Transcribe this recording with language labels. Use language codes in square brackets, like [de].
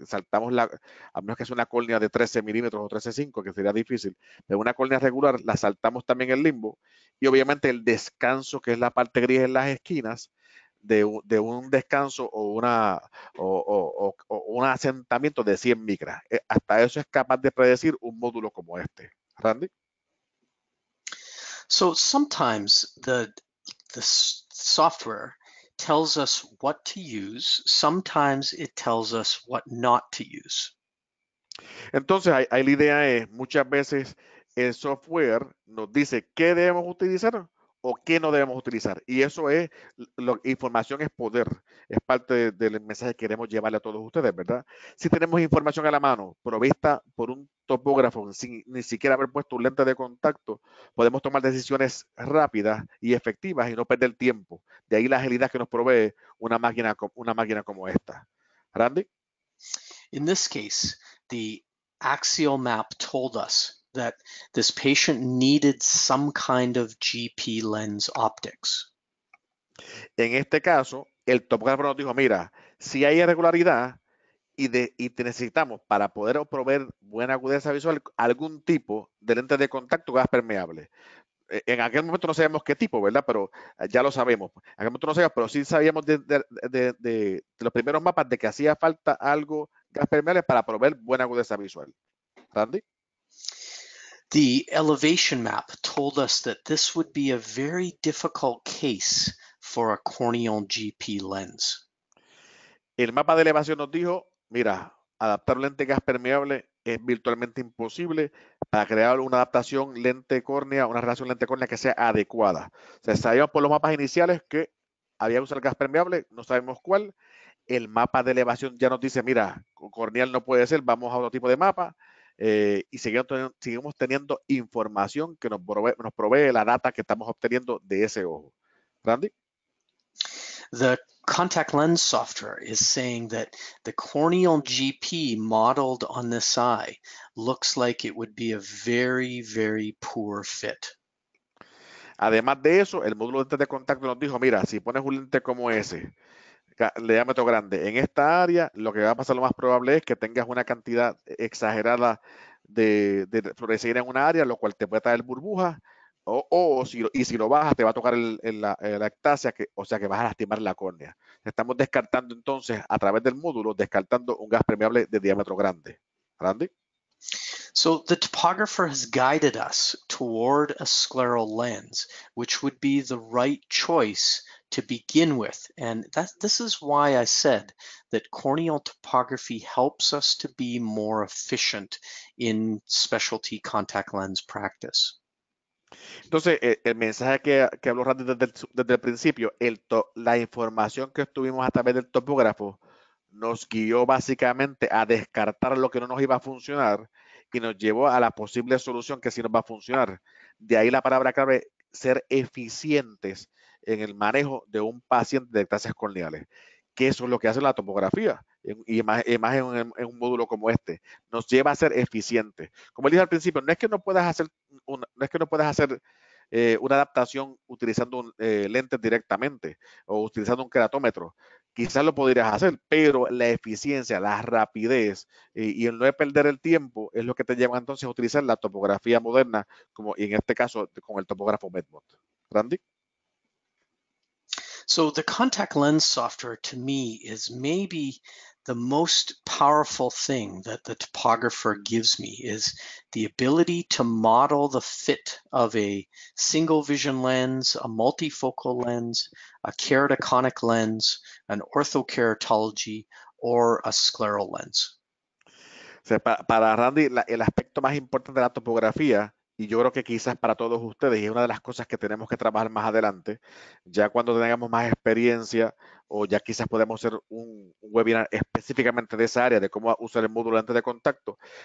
[es] Saltamos a menos que sea una córnea de 13 milímetros o 13.5, que sería difícil, pero una córnea regular la saltamos también el limbo y obviamente el descanso, que es la parte gris en las esquinas, de un descanso o un asentamiento de 100 micras. Hasta eso es capaz de predecir un módulo como este. Randy. [en] So sometimes the software tells us what to use, sometimes it tells us what not to use. [es] Entonces, ahí la idea es, muchas veces el software nos dice qué debemos utilizar o qué no debemos utilizar. Y eso es, información es poder, es parte del mensaje que queremos llevarle a todos ustedes, ¿verdad? Si tenemos información a la mano, provista por un topógrafo, sin ni siquiera haber puesto un lente de contacto, podemos tomar decisiones rápidas y efectivas y no perder tiempo. De ahí la agilidad que nos provee una máquina como esta. Randy. [en] In this case, the axial map told us that this patient needed some kind of GP lens optics. [es] En este caso, el topógrafo nos dijo, mira, si hay irregularidad y te necesitamos para poder proveer buena agudeza visual algún tipo de lente de contacto gas permeable. En aquel momento no sabemos qué tipo, ¿verdad? Pero ya lo sabemos. En aquel momento no sabíamos, pero sí sabíamos de los primeros mapas de que hacía falta algo gas permeable para proveer buena agudeza visual. ¿Randy? [en] The elevation map told us that this would be a very difficult case for a corneal GP lens. [es] El mapa de elevación nos dijo, mira, adaptar lente gas permeable es virtualmente imposible para crear una adaptación lente córnea, una relación lente córnea que sea adecuada. O sea, sabíamos por los mapas iniciales que había que usar gas permeable, no sabemos cuál. El mapa de elevación ya nos dice, mira, corneal no puede ser, vamos a otro tipo de mapa y seguimos teniendo información que nos provee la data que estamos obteniendo de ese ojo. Randy. [en] The contact lens software is saying that the corneal GP modeled on this eye looks like it would be a very, very poor fit. [es] Además de eso, el módulo de lente de contacto nos dijo, mira, si pones un lente como ese, de diámetro grande, en esta área, lo que va a pasar lo más probable es que tengas una cantidad exagerada de fluorescina en una área, lo cual te puede traer burbujas, y si lo bajas, te va a tocar la ectasia, o sea que vas a lastimar la córnea. Estamos descartando entonces, a través del módulo, descartando un gas permeable de diámetro grande. ¿Randy? [en] So the topographer has guided us toward a scleral lens, which would be the right choice to begin with. And this is why I said that corneal topography helps us to be more efficient in specialty contact lens practice. [es] Entonces, el mensaje que habló Randy desde el principio, la información que obtuvimos a través del topógrafo nos guió básicamente a descartar lo que no nos iba a funcionar y nos llevó a la posible solución que sí nos va a funcionar. De ahí la palabra clave, ser eficientes en el manejo de un paciente de ectasias corneales, que eso es lo que hace la tomografía. Y más en un módulo como este, nos lleva a ser eficientes. Como dije al principio, no es que no puedas hacer no es que no puedas hacer una adaptación utilizando lentes directamente o utilizando un queratómetro. Quizás lo podrías hacer, pero la eficiencia, la rapidez y el no perder el tiempo es lo que te lleva entonces a utilizar la topografía moderna, como y en este caso con el topógrafo MedMod. Randy. [en] So the contact lens software to me is maybe the most powerful thing that the topographer gives me is the ability to model the fit of a single vision lens, a multifocal lens, a keratoconic lens, an orthokeratology, or a scleral lens. [es] O sea, para Randy, el aspecto más importante de la topografía, y yo creo que quizás para todos ustedes, y es una de las cosas que tenemos que trabajar más adelante, ya cuando tengamos más experiencia, o ya quizás podemos hacer un webinar específicamente de esa área, de cómo usar el módulo de lente de contacto.